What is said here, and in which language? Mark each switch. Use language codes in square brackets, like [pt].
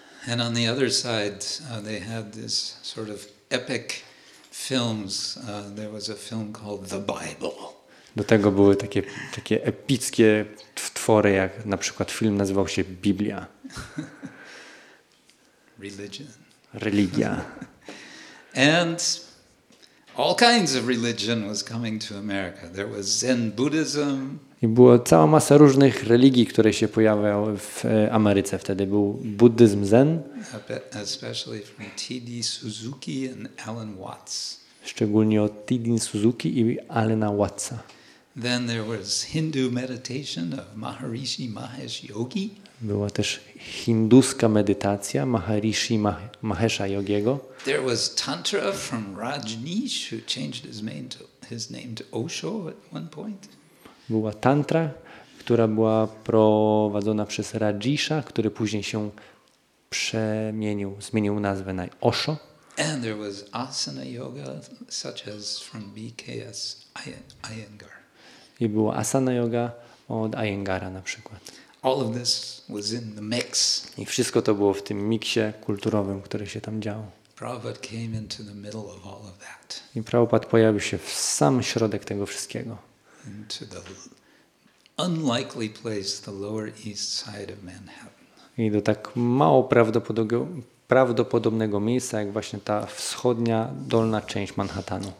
[en] And on the other side they had this sort of epic films. There was a film called The Bible. [pl] Do tego były takie epickie twory, jak na przykład film nazywał się Biblia. [en] Religion. [pl] Religia. [en] And All kinds of religion was coming to America. There was Zen Buddhism. [pl] I była cała masa różnych religii, które się pojawiały w Ameryce wtedy. Był buddyzm Zen. [en] Especially from T.D. Suzuki and Alan Watts. [pl] Szczególnie od T.D. Suzuki i Alana Wattsa. [en] Then there was Hindu meditation of Maharishi Mahesh Yogi. [pl] Była też hinduska medytacja Maharishi Mahesha Yogiego. [en] There was Tantra from Rajneesh, who changed his name to Osho at one point. [pl] Była tantra, która była prowadzona przez Rajisha, który później się przemienił, zmienił nazwę na Osho. [en] And there was asana yoga, such as from BKS Iyengar. [pl] I była asana yoga od Iyengara na przykład. [en] All of this was in the mix. [pl] I wszystko to było w tym miksie kulturowym, który się tam działo. [en] Prabhupada came into the middle of all of that. [pl] I Prabhupada pojawił się w sam środek tego wszystkiego. [en] Into the unlikely place, the lower east side of Manhattan. [pl] I do tak mało prawdopodobnego miejsca, jak właśnie ta wschodnia, dolna część Manhattanu.